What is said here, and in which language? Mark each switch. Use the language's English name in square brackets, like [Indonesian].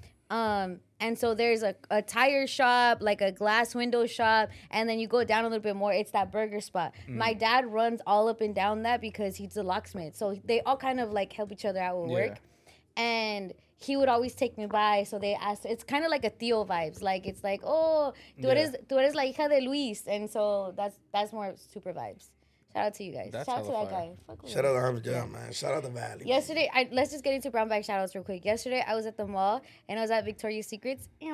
[English] And so there's a tire shop, like a glass window shop, and then you go down a little bit more, it's that burger spot. Mm. My dad runs all up and down that because he's a locksmith. So they all kind of like help each other out with work. And he would always take me by, so they asked, it's kind of like a Theo vibes. Like it's like, oh, [Spanish] tú eres la hija de Luis. [English] And so that's more super vibes. Shout out to you guys. That's shout out to that fire. Guy. Fuck shout out to Arms Down, man. Shout out the Valley. Yesterday, let's just get into brown bag shout outs real quick. Yesterday, I was at the mall and I was at Victoria's Secrets.